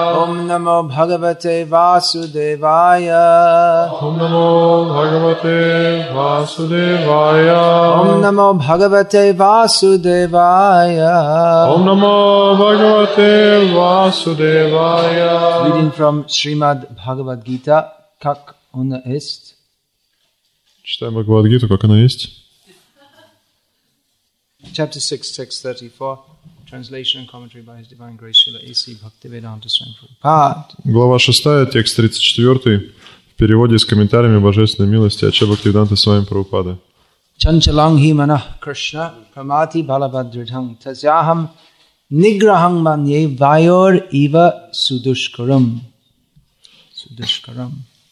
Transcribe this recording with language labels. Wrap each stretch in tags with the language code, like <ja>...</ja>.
<sa>Ом намо Бхагавате Васудевая. Ом намо Бхагавате Васудевая. Ом намо Бхагавате Васудевая. Ом намо Бхагавате Васудевая.</sa> <en>Reading from Srimad Bhagavad Gita,</en> <ru>как она есть. Читаем Бхагавад-гиту, как она есть.</ru> <en>Chapter 6, text 34. Translation and commentary by His Divine Grace Srila A.C. Bhaktivedanta Swami Prabhupada.</en> <ru>Глава 6, текст 34. В переводе с комментариями Божественной милости Ача Бхактивиданта Свами Прабхупады.</ru> <sa>Чанчаланги манах Кришна Прамати Балабадридхам Тазяхам Ниграхам Манье Вайор Ива Судушкарам. Судушкарам.</sa>